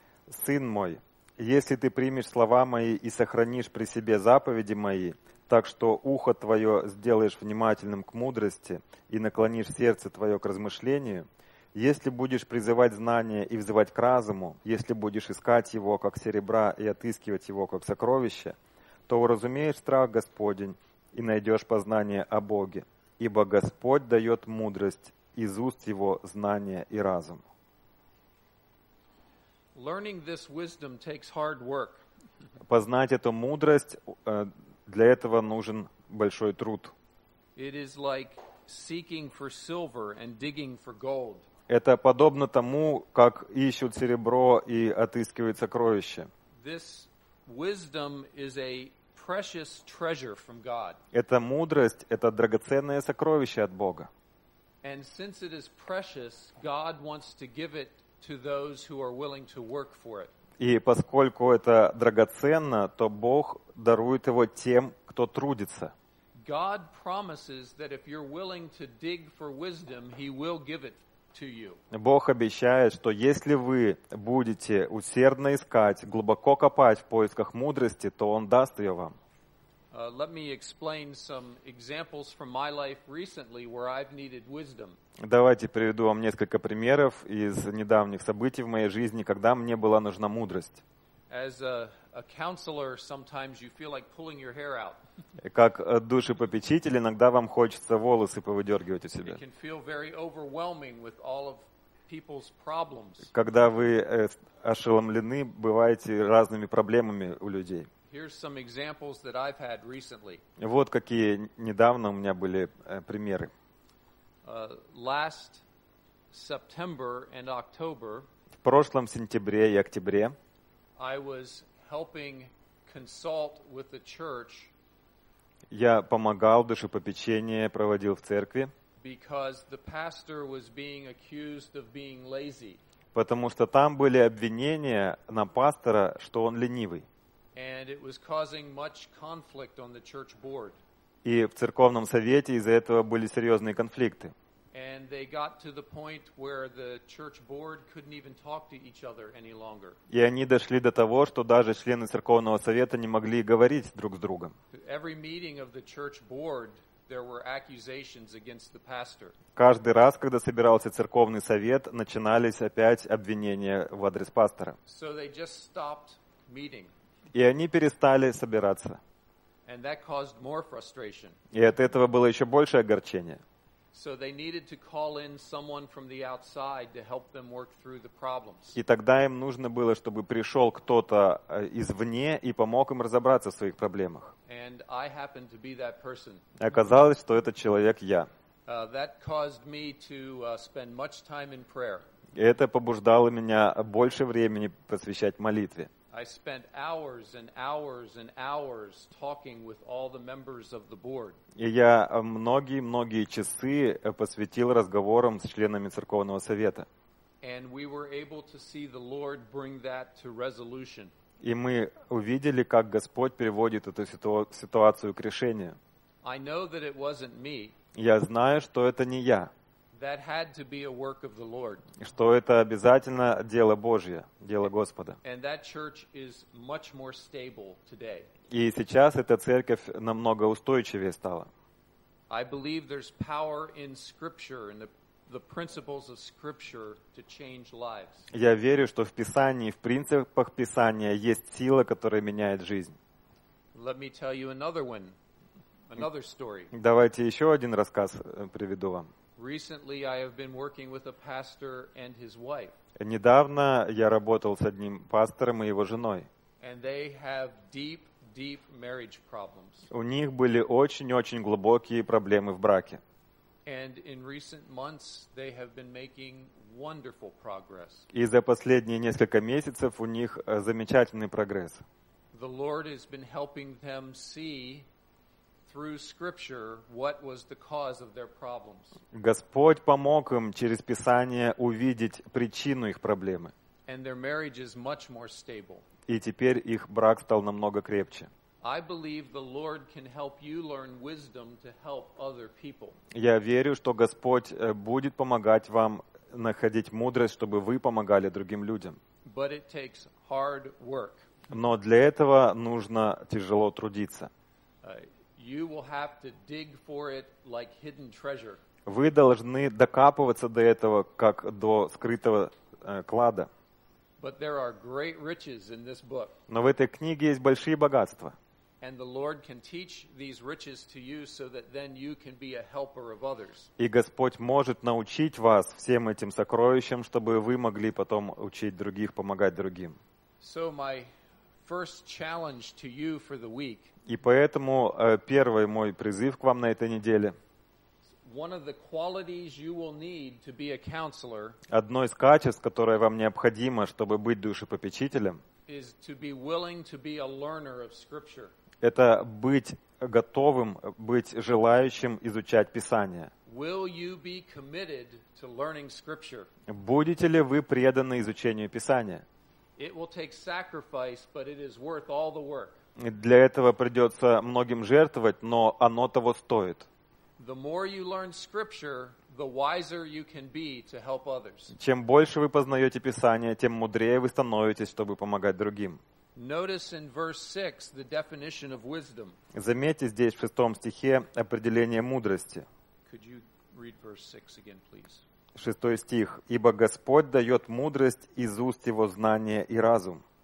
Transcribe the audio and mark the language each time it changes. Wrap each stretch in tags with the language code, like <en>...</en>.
<ru>«Сын мой, если ты примешь слова мои и сохранишь при себе заповеди мои, так что ухо твое сделаешь внимательным к мудрости и наклонишь сердце твое к размышлению, если будешь призывать знания и взывать к разуму, если будешь искать его как серебра и отыскивать его как сокровище, то уразумеешь страх Господень и найдешь познание о Боге, ибо Господь дает мудрость из уст его знания и разум».</ru> <en>Learning this wisdom takes hard work.</en> <ru>Познать эту мудрость, для этого нужен большой труд.</ru> <en>It is like seeking for silver and digging for gold.</en> <ru>Это подобно тому, как ищут серебро и отыскивают сокровища.</ru> <en>This wisdom is a precious treasure from God.</en> <ru>Эта мудрость — это драгоценное сокровище от Бога.</ru> <en>And since it is precious, God wants to give it to those who are willing to work for it.</en> <ru>И поскольку это драгоценно, то Бог дарует его тем, кто трудится.</ru> <en>God promises that if you're willing to dig for wisdom, he will give it to you.</en> <ru>Бог обещает, что если вы будете усердно искать, глубоко копать в поисках мудрости, то он даст её вам.</ru> <en>Let me explain some examples from my life recently where I've needed wisdom.</en> <ru>Давайте приведу вам несколько примеров из недавних событий в моей жизни, когда мне была нужна мудрость.</ru> <en>As a counselor, sometimes you feel like pulling your hair out.</en> <ru>Как душепопечитель, иногда вам хочется волосы повыдергивать у себя.</ru> <en>It can feel very overwhelming with all of people's problems.</en> <ru>Когда вы ошеломлены, бываете разными проблемами у людей.</ru> <en>Here's some examples that I've had recently.</en> <ru>Вот какие недавно у меня были примеры.</ru> <en>Last September and October.</en> <ru>В прошлом сентябре и октябре.</ru> <en>I was helping consult with the church.</en> <ru>Я помогал душепопечение проводил в церкви.</ru> <en>Because the pastor was being accused of being lazy.</en> <ru>Потому что там были обвинения на пастора, что он ленивый.</ru> <en>And it was causing much conflict on the church board.</en> <ru>И в церковном совете из-за этого были серьезные конфликты.</ru> <en>And they got to the point where the church board couldn't even talk to each other any longer.</en> <ru>И они дошли до того, что даже члены церковного совета не могли говорить друг с другом.</ru> <en>Every meeting of the church board, there were accusations against the pastor.</en> <ru>Каждый раз, когда собирался церковный совет, начинались опять обвинения в адрес пастора.</ru> <en>So they just stopped meeting.</en> <ru>И они перестали собираться.</ru> <en>And that caused more frustration.</en> <ru>И от этого было еще больше огорчения.</ru> <en>So they needed to call in someone from the outside to help them work through the problems.</en> <ru>И тогда им нужно было, чтобы пришел кто-то извне и помог им разобраться в своих проблемах.</ru> <en>And I happened to be that person.</en> <ru>Оказалось, что этот человек я.</ru> <en>That caused me to spend much time in prayer.</en> <ru>Это побуждало меня больше времени посвящать молитве.</ru> <en>I spent hours and hours and hours talking with all the members of the board.</en> <ru>И я многие-многие часы посвятил разговорам с членами церковного совета.</ru> <en>And we were able to see the Lord bring that to resolution.</en> <ru>И мы увидели, как Господь приводит эту ситуацию к решению.</ru> <en>I know that it wasn't me.</en> <ru>Я знаю, что это не я.</ru> <en>That had to be a work of the Lord.</en> <ru>Что это обязательно дело Божье, дело Господа.</ru> <en>And that church is much more stable today.</en> <ru>И сейчас эта церковь намного устойчивее стала.</ru> <en>I believe there's power in Scripture and the principles of Scripture to change lives.</en> <ru>Я верю, что в Писании, в принципах Писания есть сила, которая меняет жизнь.</ru> <en>Let me tell you another one, another story.</en> <ru>Давайте еще один рассказ приведу вам.</ru> <en>Recently, I have been working with a pastor and his wife.</en> <ru>Недавно я работал с одним пастором и его женой.</ru> <en>And they have deep, deep marriage problems.</en> <ru>У них были очень-очень глубокие проблемы в браке.</ru> <en>And in recent months, they have been making wonderful progress.</en> <ru>И за последние несколько месяцев у них замечательный прогресс.</ru> <en>The Lord has been helping them see through scripture what was the cause of their problems.</en> <ru>Господь помог им через Писание увидеть причину их проблемы.</ru> <en>And their marriage is much more stable.</en> <ru>И теперь их брак стал намного крепче.</ru> <en>I believe the Lord can help you learn wisdom to help other people.</en> <ru>Я верю, что Господь будет помогать вам находить мудрость, чтобы вы помогали другим людям.</ru> <en>But it takes hard work.</en> <ru>Но для этого нужно тяжело трудиться.</ru> <en>You will have to dig for it like hidden treasure.</en> <ru>Вы должны докапываться до этого как до скрытого клада.</ru> <en>But there are great riches in this book.</en> <ru>Но в этой книге есть большие богатства.</ru> <en>And the Lord can teach these riches to you so that then you can be a helper of others.</en> <ru>И Господь может научить вас всем этим сокровищам, чтобы вы могли потом учить других помогать другим.</ru> <en>So my first challenge to you for the week.</en> <ru>И поэтому первый мой призыв к вам на этой неделе.</ru> <en>One of the qualities you will need to be a counselor.</en> <ru>Одно из качеств, которое вам необходимо, чтобы быть душепопечителем.</ru> <en>Is to be willing to be a learner of Scripture.</en> <ru>Это быть готовым, быть желающим изучать Писание.</ru> <en>Will you be committed to learning Scripture?</en> <ru>Будете ли вы преданы изучению Писания?</ru> <en>It will take sacrifice, but it is worth all the work.</en> <ru>Для этого придется многим жертвовать, но оно того стоит.</ru> <en>The more you learn Scripture, the wiser you can be to help others.</en> <ru>Чем больше вы познаете Писание, тем мудрее вы становитесь, чтобы помогать другим.</ru> <en>Notice in verse 6 the definition of wisdom.</en> <ru>Заметьте здесь в шестом стихе определение мудрости.</ru> <en>Could you read verse 6 again, please?</en> <ru>Шестой стих. «Ибо Господь дает мудрость из уст Его знания и разум».</ru>